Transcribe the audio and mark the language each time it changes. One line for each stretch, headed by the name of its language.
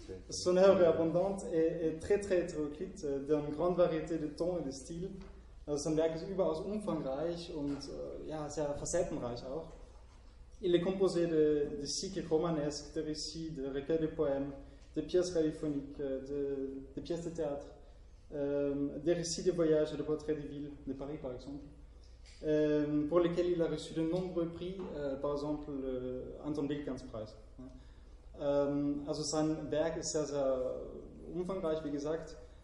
French: Son œuvre est abondante et très très hétéroclite, d'une grande variété de tons et de styles.
German: Son werk est überaus umfangreich et sehr facettenreich auch.
French: Il est composé de cycles romanesques, de récits, de recueils de poèmes, de pièces radiophoniques, de pièces de théâtre. Des récits de voyages et de portraits des villes, de Paris par exemple, pour lesquels il a reçu de nombreux prix, par exemple le Anton Wilkens Preis.
German: Also sein Werk ist sehr, sehr umfangreich, wie gesagt.